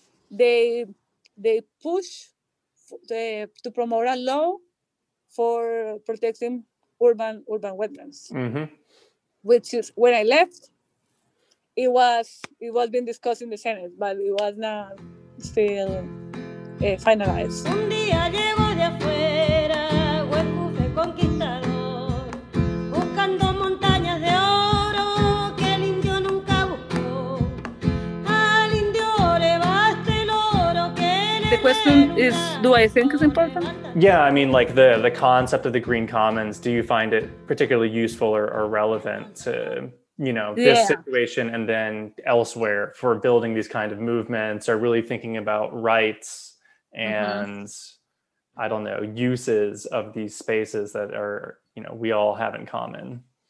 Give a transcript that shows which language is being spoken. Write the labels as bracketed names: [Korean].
[English] They push to promote a law for protecting urban wetlands, mm-hmm. which is when I left. It was being discussed in the Senate, but it was not still finalized. [Spanish] Un día llego de afuera, huéspede conquistador, buscando montañas de oro que el indio nunca buscó. Al indio le basta el oro que le. [English] The quest do I think is important? Yeah, I mean, like the concept of the Green Commons, do you find it particularly useful or relevant to, you know, this situation and then elsewhere for building these kind of movements or really thinking about rights and, I don't know, uses of these spaces that are, you know, we all have in common?